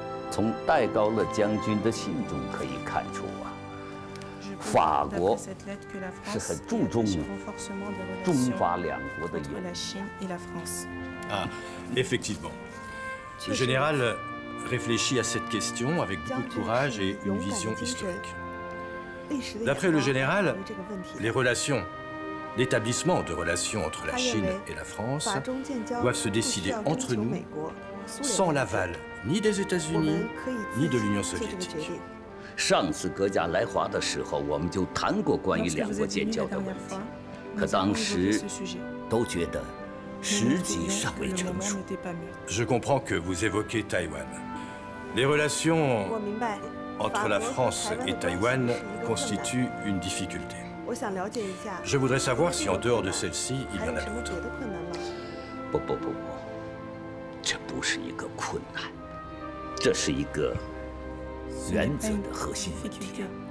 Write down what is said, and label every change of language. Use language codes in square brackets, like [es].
[zh] 从戴高乐将军的信中可以看出啊，法国是很注重中法两国的友谊。 [fr] Effectivement, le général réfléchit à cette question avec beaucoup de courage et une vision historique. D'après le général, les relations. L'établissement de relations entre la Chine et la France doit se décider entre nous sans l'aval ni des États-Unis ni de l'Union soviétique. [zh] 上次阁下来华的时候，我们就谈过关于两国建交的问题，可当时都觉得时机尚未成熟。 [fr] Je comprends que vous évoquez Taïwan. Les relations entre la France et Taïwan constituent une difficulté. Je voudrais savoir si en dehors de celle-ci, il y en a d'autres. Non, non, non, non. Ce n'est pas une difficulté.